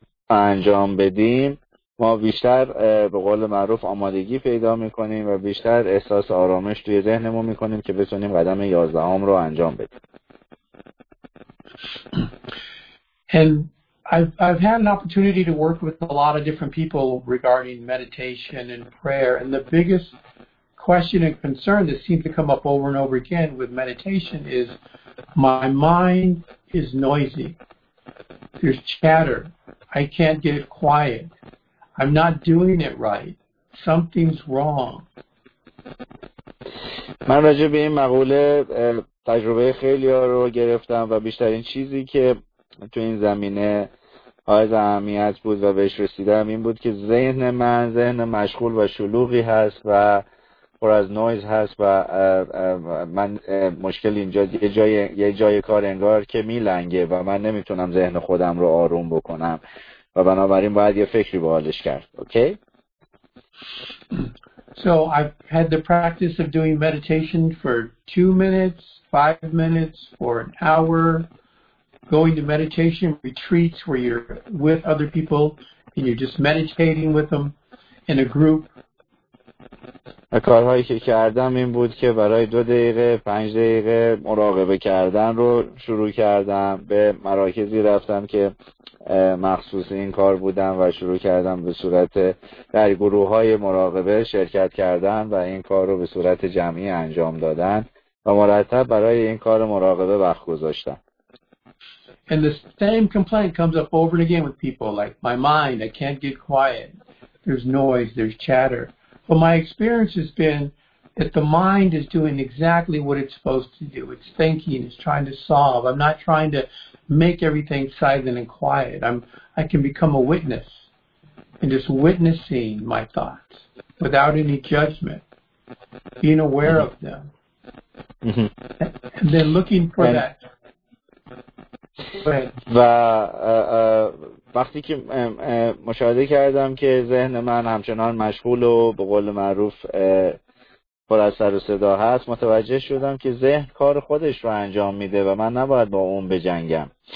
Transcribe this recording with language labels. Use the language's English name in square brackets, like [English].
[Persian] انجام بدیم ما بیشتر به قول معروف آمادگی پیدا میکنیم و بیشتر احساس آرامش توی ذهنمون میکنیم که بتونیم قدم 11 رو انجام بدیم. [English] And I've had an opportunity to work with a lot of different people regarding meditation and prayer, and the biggest question and concern that seems to come up over and over again with meditation is my mind is noisy. There's chatter. I can't get it quiet. I'm not doing it right. Something's wrong. [Persian] من راجع به این مقوله تجربه خیلی ها رو گرفتم و بیشترین چیزی که تو این زمینه حائز اهمیت بود و بهش رسیدم این بود که ذهن مشغول و شلوغی هست و پر از نویز هست و من مشکل اینجا یه جای کار انگار که میلنگه و من نمیتونم ذهن خودم رو آروم بکنم و بنابراین باید یه فکری به حالش کرد. اوکی؟ [English] So I've had the practice of doing meditation for 2 minutes, 5 minutes, for an hour, going to meditation retreats where you're with other people and you're just meditating with them in a group. [Persian] و کارهایی که کردم این بود که برای 2 دقیقه 5 دقیقه مراقبه کردن رو شروع کردم، به مراکزی رفتم که مخصوص این کار بودن و شروع کردم به صورت در گروه های مراقبه شرکت کردن و این کار رو به صورت جمعی انجام دادن و مرتب برای این کار مراقبه وقت گذاشتم. [English] And the same complaint comes up over and again with people like my mind, I can't get quiet, there's noise, there's chatter. But my experience has been that the mind is doing exactly what it's supposed to do. It's thinking, it's trying to solve. I'm not trying to make everything silent and quiet. I can become a witness and just witnessing my thoughts without any judgment, being aware of them, and then looking for that. [Persian] و وقتی که مشاهده کردم که ذهن من همچنان مشغول و به قول معروف پر از سر و صدا هست، متوجه شدم که ذهن کار خودش رو انجام میده و من نباید با اون بجنگم.